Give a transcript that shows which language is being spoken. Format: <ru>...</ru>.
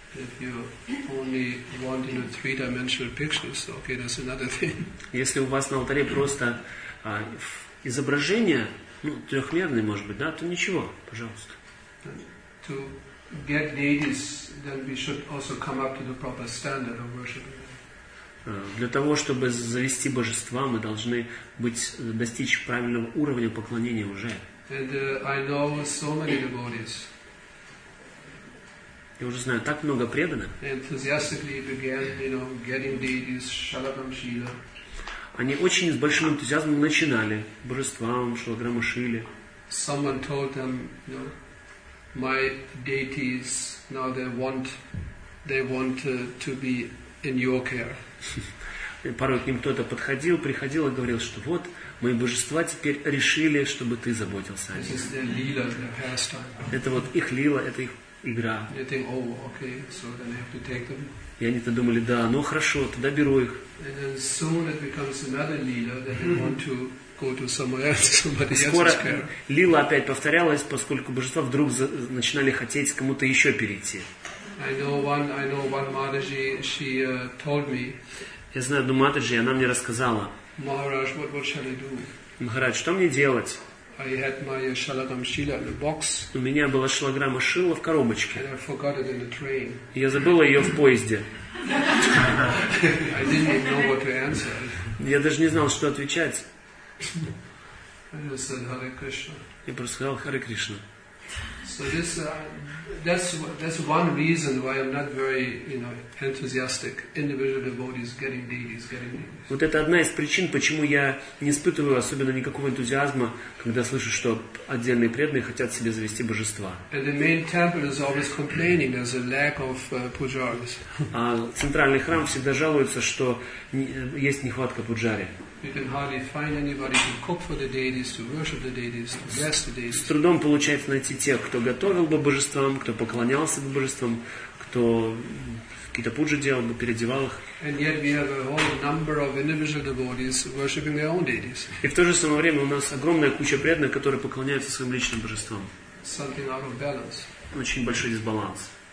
<en>If you only want in a three-dimensional picture, so okay, that's another thing.</en> <ru>Если у вас на алтаре просто изображение, ну, трехмерное, может быть, да, то ничего, пожалуйста.</ru> <en>To get deities, then we should also come up to the proper standard of worship.</en> <ru>Для того, чтобы завести божества, мы должны быть, достичь правильного уровня поклонения уже.</ru> <en>And I know so many devotees.</en> <ru>Я уже знаю, так много преданных.</ru> <en>Enthusiastically began, you know, getting deities, Shalakam Shila.</en> <ru>Они очень с большим энтузиазмом начинали божествам, Шалаграма Шиле.</ru> <en>Someone told them, you know, my deities, now they want to be in your care.</en> <ru>Порой к ним кто-то подходил, приходил и говорил, что вот, мои божества теперь решили, чтобы ты заботился о них.</ru> <en>This is their lila, their pastime.</en> <ru>Это вот их лила, это их игра.</ru> <en>They think, oh, okay, so then I have to take them.</en> <ru>И они-то думали, да, ну хорошо, тогда беру их.</ru> <en>And then soon it becomes another lila that they want to go to somewhere else, somebody else's care.</en> <ru>Скоро лила опять повторялась, поскольку божества вдруг начинали хотеть кому-то еще перейти.</ru> <en>I know one Mataji, she told me.</en> <ru>Я знаю одну Матаджи, она мне рассказала.</ru> <en>Maharaj, what shall I do?</en> <ru>Maharaj, что мне делать?</ru> <en>I had my Shalagram Shila in a box.</en> <ru>У меня была Шалаграма Шила в коробочке.</ru> <en>And I forgot it in the train.</en> <ru>Я забыла ее в поезде.</ru> <en>I didn't even know what to answer.</en> <ru>Я даже не знал, что отвечать.</ru> <en>I just said Hare Krishna.</en> <ru>Я просто сказал Харе Кришна.</ru> <en>So this that's one reason why I'm not very, you know, enthusiastic. Individual devotees getting deities.</en> <ru>Вот это одна из причин, почему я не испытываю особенно никакого энтузиазма, когда слышу, что отдельные преданные хотят себе завести божества.</ru> <en>And the main temple is always complaining there's a lack of pujaris.</en> <ru>А центральный храм всегда жалуется, что есть нехватка пуджари.</ru> <en>You can hardly find anybody to cook for the deities, to worship the deities, to bless the deities.</en> <ru>С трудом получается найти тех, кто готовил бы божествам, кто поклонялся бы божествам, кто какие-то пуджи делал бы, переодевал их.</ru> <en>And yet we have a whole number of individual devotees worshiping their own deities.</en> <ru>И в то же самое время у нас огромная куча преданных, которые поклоняются своим личным божествам.</ru> <en>Something out of balance.</en> <ru>Очень большой дисбаланс.</ru>